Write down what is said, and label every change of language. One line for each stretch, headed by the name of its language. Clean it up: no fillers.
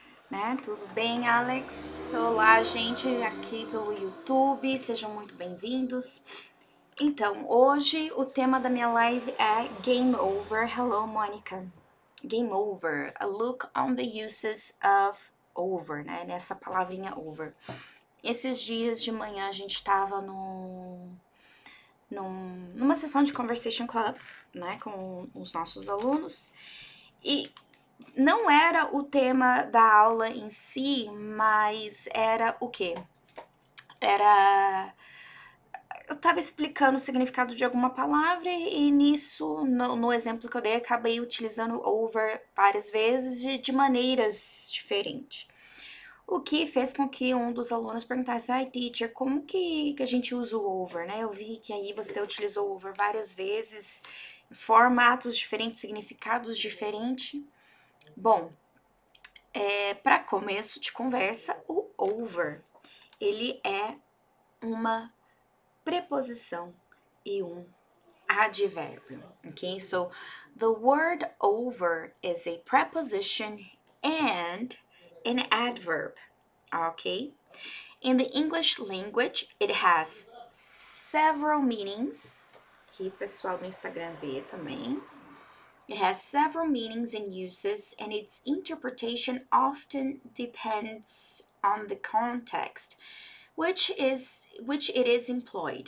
Portuguese: Né? Tudo bem, Alex? Olá, gente, aqui pelo YouTube. Sejam muito bem-vindos. Então, hoje o tema da minha live é Game Over.
English: Hello, Mônica. Game over, a look on the uses of over, né?
Portuguese: Nessa palavrinha over. Esses dias de manhã a gente estava numa sessão de Conversation Club, né, com os nossos alunos. E não era o tema da aula em si, mas era o quê? Eu estava explicando o significado de alguma palavra e nisso, no exemplo que eu dei, acabei utilizando over várias vezes de maneiras diferentes. O que fez com que um dos alunos perguntasse: "Ai, teacher, como que a gente usa o over, né? Eu vi que aí você utilizou over várias vezes, formatos diferentes, significados diferentes." Bom, para começo de conversa, o over, ele é uma preposição e um advérbio.
English: Okay, so the word over is a preposition and an adverb. Okay, in the English language, it has several meanings.
Portuguese: Que o pessoal do Instagram vê também.
English: It has several meanings and uses, and its interpretation often depends on the context which it is employed.